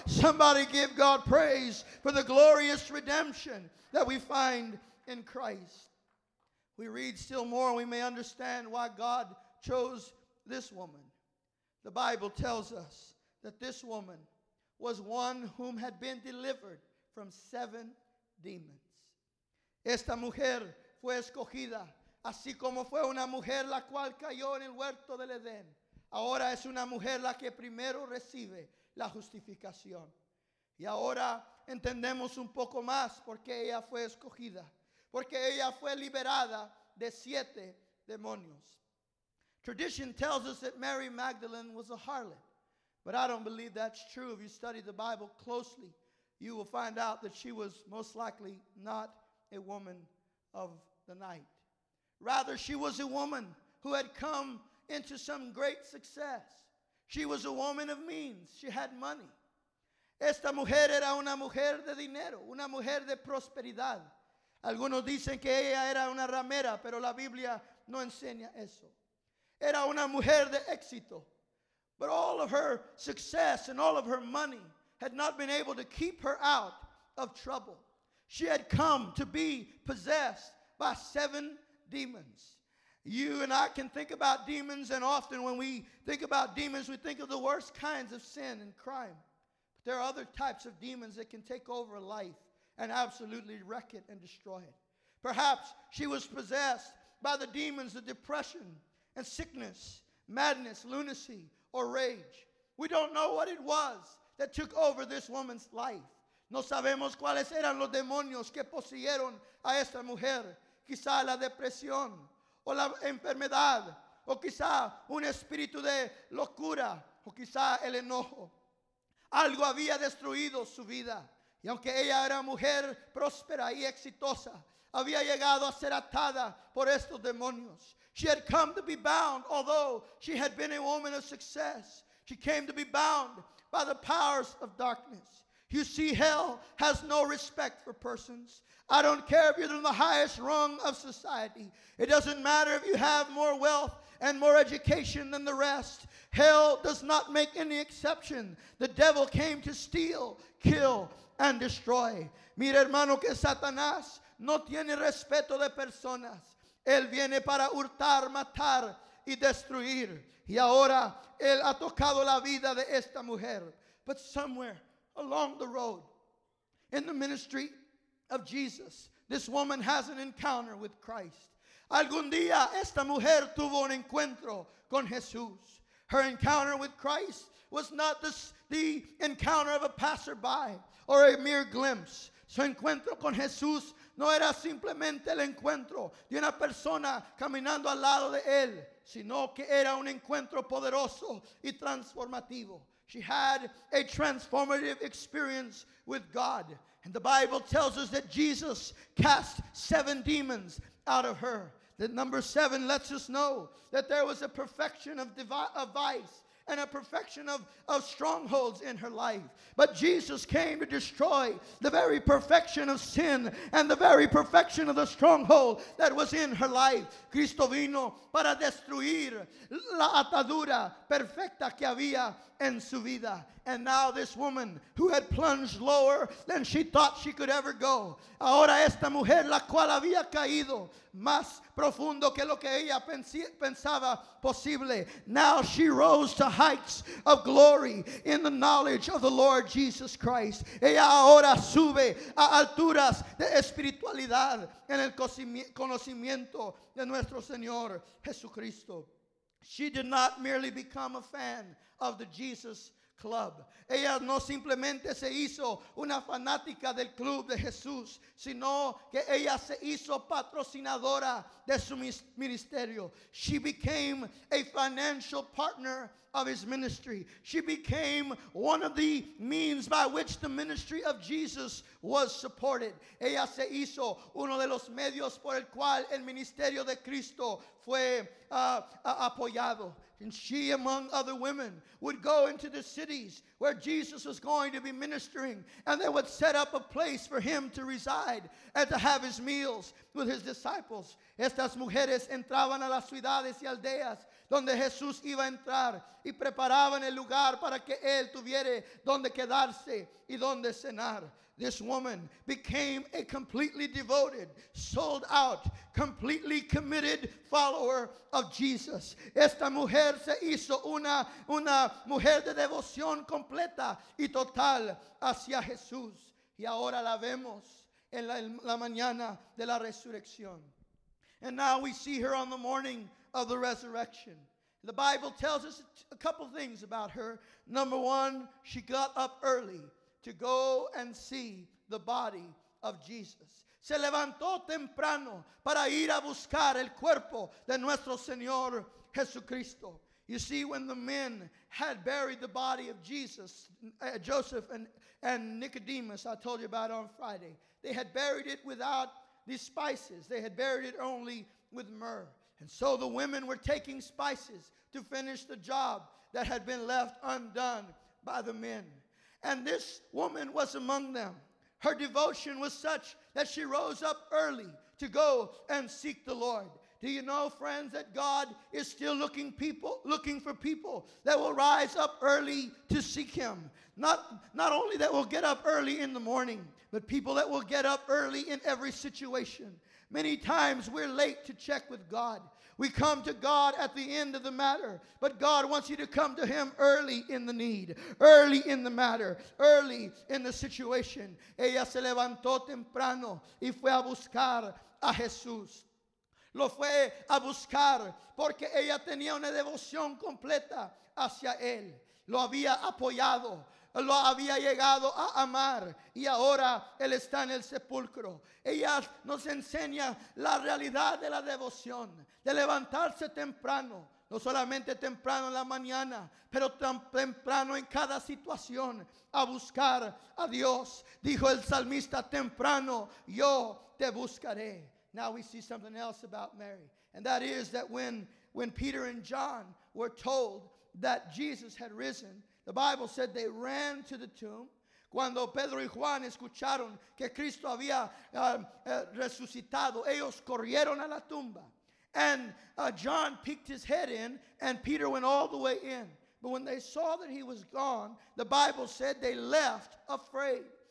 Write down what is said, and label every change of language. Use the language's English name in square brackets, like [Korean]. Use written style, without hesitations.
[English] Somebody give God praise for the glorious redemption that we find in Christ. We read still more, and we may understand why God chose this woman. The Bible tells us that this woman was one whom had been delivered from 7 demons. [Spanish] Esta mujer fue escogida, así como fue una mujer la cual cayó en el huerto del Edén. Ahora es una mujer la que primero recibe la justificación. Y ahora entendemos un poco más por qué ella fue escogida. Porque ella fue liberada de 7 demonios. [English] Tradition tells us that Mary Magdalene was a harlot. But I don't believe that's true. If you study the Bible closely, you will find out that she was most likely not a woman of the night. Rather, she was a woman who had come into some great success. She was a woman of means. She had money. [Spanish] Esta mujer era una mujer de dinero, una mujer de prosperidad. Algunos dicen que ella era una ramera, pero la Biblia no enseña eso. Era una mujer de éxito. [English] But all of her success and all of her money had not been able to keep her out of trouble. She had come to be possessed by 7 demons. You and I can think about demons, and often when we think about demons, we think of the worst kinds of sin and crime. But there are other types of demons that can take over life and absolutely wreck it and destroy it. Perhaps she was possessed by the demons of depression and sickness, madness, lunacy, or rage. We don't know what it was that took over this woman's life. [Spanish] No sabemos cuáles eran los demonios que poseyeron a esta mujer. Quizá la depresión o la enfermedad o quizá un espíritu de locura o quizá el enojo. Algo había destruido su vida. Y aunque ella era mujer próspera y exitosa, había llegado a ser atada por estos demonios. [English] She had come to be bound, although she had been a woman of success. She came to be bound by the powers of darkness. You see, hell has no respect for persons. I don't care if you're in the highest rung of society. It doesn't matter if you have more wealth and more education than the rest. Hell does not make any exception. The devil came to steal, kill, and destroy. [Spanish] Mira, hermano, que Satanás no tiene respeto de personas. Él viene para hurtar, matar y destruir. Y ahora, Él ha tocado la vida de esta mujer. [English] But somewhere along the road, in the ministry of Jesus, this woman has an encounter with Christ. [Spanish] Algún día, esta mujer tuvo un encuentro con Jesús. [English] Her encounter with Christ was not the encounter of a passerby or a mere glimpse. [Spanish] Su encuentro con Jesús no era simplemente el encuentro de una persona caminando al lado de él, sino que era un encuentro poderoso y transformativo. [English] She had a transformative experience with God. And the Bible tells us that Jesus cast 7 demons out of her. The number 7 lets us know that there was a perfection of vice and a perfection of strongholds in her life. But Jesus came to destroy the very perfection of sin and the very perfection of the stronghold that was in her life. [Spanish] Cristo vino para destruir la atadura perfecta que había en su vida. [English] And now this woman who had plunged lower than she thought she could ever go. [Spanish] Ahora esta mujer la cual había caído más profundo que lo que ella pensaba posible. [English] Now she rose to heights of glory in the knowledge of the Lord Jesus Christ. [Spanish] Ella ahora sube a alturas de espiritualidad en el conocimiento de nuestro Señor Jesucristo. [English] She did not merely become a fan of the Jesus Club. [Spanish] Ella no simplemente se hizo una fanática del club de Jesús, sino que ella se hizo patrocinadora de su ministerio. [English] She became a financial partner of his ministry. She became one of the means by which the ministry of Jesus was supported. [Spanish] Ella se hizo uno de los medios por el cual el ministerio de Cristo fue apoyado. [English] And she, among other women, would go into the cities where Jesus was going to be ministering, and they would set up a place for him to reside and to have his meals with his disciples. [Spanish] Estas mujeres entraban a las ciudades y aldeas donde Jesús iba a entrar y preparaban el lugar para que él tuviera donde quedarse y donde cenar. [English] This woman became a completely devoted, sold out, completely committed follower of Jesus. [Spanish] Esta mujer se hizo una mujer de devoción completa y total hacia Jesús. Y ahora la vemos en la mañana de la resurrección. [English] And now we see her on the morning of the resurrection. The Bible tells us a couple things about her. Number one, she got up early to go and see the body of Jesus. [Spanish] Se levantó temprano para ir a buscar el cuerpo de nuestro Señor Jesucristo. [English] You see, when the men had buried the body of Jesus, Joseph and Nicodemus, I told you about on Friday, they had buried it without the spices. They had buried it only with myrrh. And so the women were taking spices to finish the job that had been left undone by the men. And this woman was among them. Her devotion was such that she rose up early to go and seek the Lord. Do you know, friends, that God is still looking for people that will rise up early to seek him? Not only that will get up early in the morning, but people that will get up early in every situation. Many times we're late to check with God. We come to God at the end of the matter, but God wants you to come to him early in the need, early in the matter, early in the situation. [Spanish] Ella se levantó temprano y fue a buscar a Jesús. Lo fue a buscar porque ella tenía una devoción completa hacia él. Lo había apoyado. Lo había llegado a amar y ahora él está en el sepulcro. Ella nos enseña la realidad de la devoción, de levantarse temprano, no solamente temprano en la mañana, pero temprano en cada situación a buscar a Dios. Dijo el salmista, temprano yo te buscaré. [English] Now we see something else about Mary. And that is that when Peter and John were told that Jesus had risen, the Bible said they ran to the tomb. [Spanish] Cuando Pedro y Juan escucharon que Cristo había resucitado, ellos corrieron a la tumba. [English] And John peeked his head in, and Peter went all the way in. But when they saw that he was gone, the Bible said they left afraid.